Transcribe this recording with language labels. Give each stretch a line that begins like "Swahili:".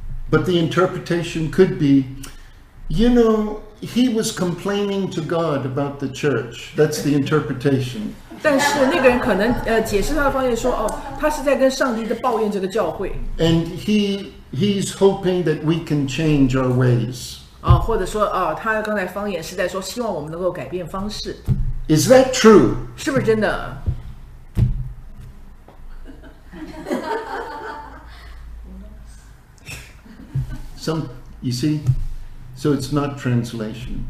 English: But the interpretation could be, you know, he was complaining to God about the church. That's the interpretation.
Chinese: 但是那个人可能解释他的方言说，哦，他是在跟上帝的抱怨这个教会。
English: And he's hoping that we can change our ways.
Chinese: 哦，或者说哦，他刚才方言是在说希望我们能够改变方式。
English: Is that true?
Chinese: 是不是真的？
English: Some, you see, so it's not translation.